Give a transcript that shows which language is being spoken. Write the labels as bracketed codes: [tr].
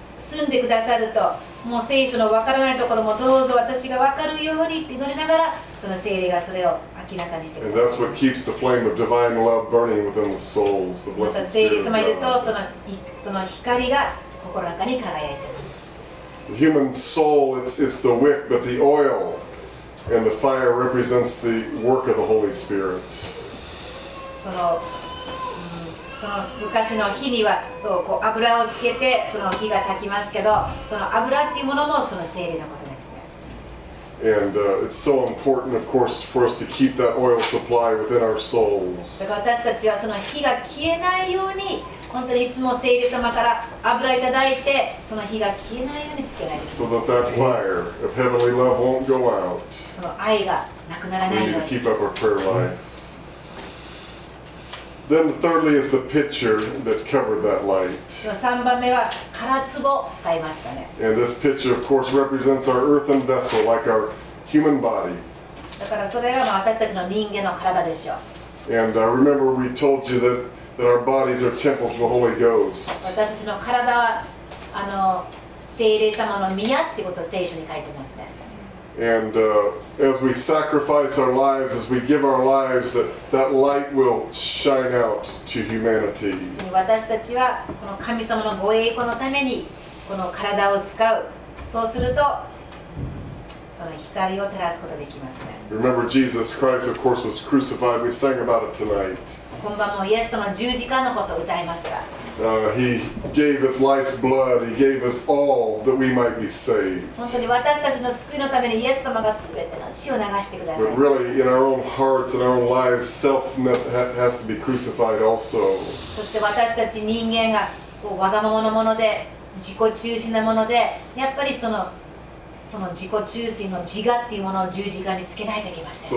[ja] 住んでくださると、もう聖書のわからないところもどうぞ私がわかるようにって祈りながら、その聖霊がそれを明らかにしてくださる。 [en] That's what keeps the flame of divine love burning within the souls, the blessed spirit. [ja] 聖霊様いるとその光が心の中に輝いています。 [en] Human soul, it's the wick, but the oil and the fire represents the work of the Holy Spirit. [ja] その昔の火にはそうこう油をつけてその火が焚きますけど、その油っていうものもその聖霊のことですね。 [en] And it's so important, of course, for us to keep that oil supply within our souls. [ja] だから私たちはその火が消えないように、本当にいつも聖霊様から油いただいて、その火が消えないようにつけられる。 [en] So that that fire of heavenly love won't go out. [ja] その愛がなくならないように。 [en] We need to keep up our prayer life. Then thirdly is the pitcher that covered that light. [ja] 3番目は空壺を使いましたね。 [en] And this pitcher of course represents our earthen vessel, like our human body. [ja] だからそれは私たちの人間の体でしょう。 [en] And remember we told you that our bodies are temples of the Holy Ghost. [ja] 私たちの体は聖霊様の宮ってことを聖書に書いてますね。 [en] And as we sacrifice our lives, as we give our lives, that light will shine out to humanity. [ja] 私たちはこの神様のご栄光のためにこの体を使う。そうするとその光を照らすことができますね。 [en] Remember, Jesus Christ, of course, was crucified. We sang about it tonight. [ja] 今晩もイエス様の十字架のことを歌いました。 [en] He gave his life's blood. He gave us all that we might be saved. [ja] 本当に私たちの救いのためにイエス様がすべての血を流してください。 [en] But really, in our own hearts and our own lives, self has to be crucified also. [ja] そして私たち人間がこうわがままなもので、自己中心なもので、やっぱりその自己中心の自我っていうものを十字架につけないといけません。